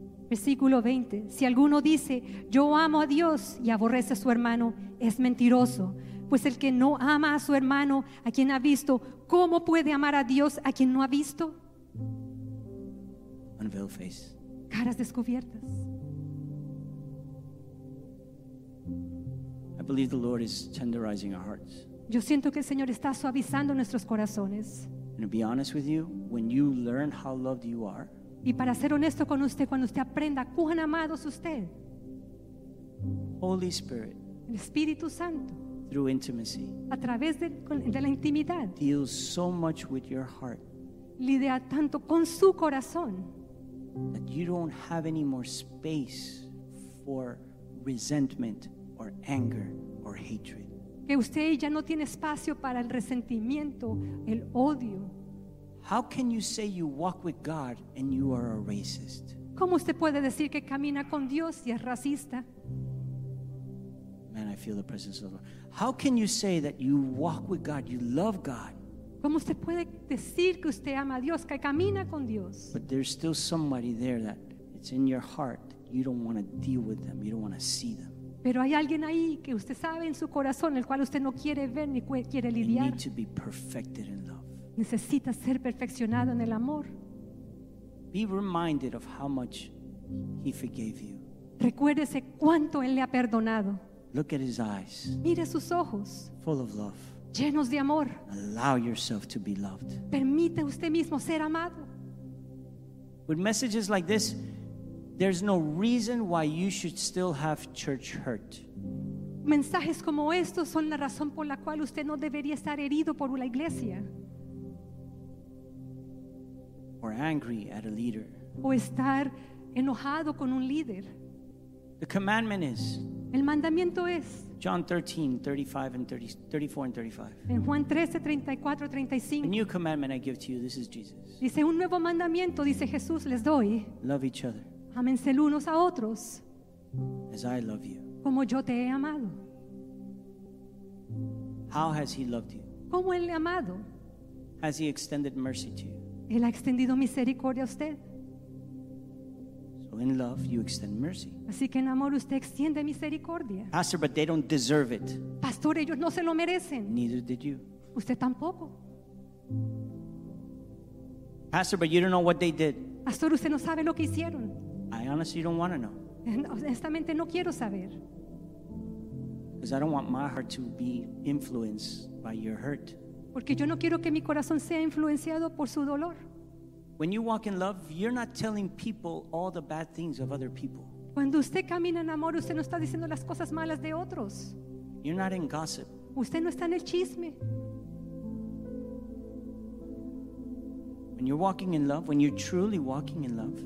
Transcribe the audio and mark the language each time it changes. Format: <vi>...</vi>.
<es>Versículo 20, si alguno dice yo amo a Dios y aborrece a su hermano, es mentiroso. Pues el que no ama a su hermano a quien ha visto, ¿cómo puede amar a Dios a quien no ha visto?</es> <en>Unveiled face.</en> <es>Caras descubiertas.</es> <en>I believe the Lord is tenderizing our hearts.</en> <es>Yo siento que el Señor está suavizando nuestros corazones.</es> <en>And to be honest with you, when you learn how loved you are,</en> <es>y para ser honesto con usted, cuando usted aprenda cuán amado es usted,</es> <en>Holy Spirit,</en> <es>el Espíritu Santo,</es> <en>through intimacy,</en> <es>a través de la intimidad,</es> <en>deals so much with your heart,</en> <es>lidia tanto con su corazón,</es> <en>that you don't have any more space for resentment or anger or hatred.</en> <es>Que usted ya no tiene espacio para el resentimiento, el odio.</es> <en>How can you say you walk with God and you are a racist?</en> <es>¿Cómo usted puede decir que camina con Dios y es racista?</es> <en>Man, I feel the presence of the Lord. How can you say that you walk with God, you love God?</en> <es>¿Cómo usted puede decir que usted ama a Dios, que camina con Dios?</es> <en>But there's still somebody there that it's in your heart that you don't want to deal with them, you don't want to see them.</en> <es>Pero hay alguien ahí que usted sabe en su corazón el cual usted no quiere ver ni quiere lidiar.</es> <en>You need to be perfected in love.</en> <es>Necesita ser perfeccionado en el amor.</es> <en>Be reminded of how much he forgave you.</en> <es>Recuérdese cuánto él le ha perdonado.</es> <en>Look at his eyes.</en> <es>Mire sus ojos.</es> <en>Full of love.</en> <es>Llenos de amor.</es> <en>Allow yourself to be loved.</en> <es>Permite usted mismo ser amado.</es> <en>With messages like this, there's no reason why you should still have church hurt.</en> <es>Mensajes como estos son la razón por la cual usted no debería estar herido por la iglesia.</es> <en>Or angry at a leader.</en> <es>O estar enojado con un líder.</es> <en>The commandment is.</en> <es>El mandamiento es.</es> <en>John 13:34-35.</en> <es>En Juan 13:34-35.</es> <en>A new commandment I give to you. This is Jesus.</en> <es>Dice un nuevo mandamiento, dice Jesús, les doy.</es> <en>Love each other.</en> <es>Ámense unos a otros.</es> <en>As I love you.</en> <es>Como yo te he amado.</es> <en>How has he loved you?</en> <es>¿Cómo él le ha amado?</es> <en>Has he extended mercy to you?</en> <es>Él ha extendido misericordia a usted.</es> <en>So in love, you extend mercy.</en> <es>Así que en amor usted extiende misericordia.</es> <en>Pastor, but they don't deserve it.</en> <es>Pastor, ellos no se lo merecen.</es> <en>Neither did you.</en> <es>Usted tampoco.</es> <en>Pastor, but you don't know what they did.</en> <es>Pastor, usted no sabe lo que hicieron.</es> <en>I honestly don't want to know.</en> <es>Honestamente no quiero saber.</es> <en>Because I don't want my heart to be influenced by your hurt.</en> <es>Porque yo no quiero que mi corazón sea influenciado por su dolor.</es> <en>When you walk in love, you're not telling people all the bad things of other people.</en> <es>Cuando usted camina en amor, usted no está diciendo las cosas malas de otros.</es> <en>You're not in gossip.</en> <es>Usted no está en el chisme.</es> <en>When you're walking in love, when you're truly walking in love,</en>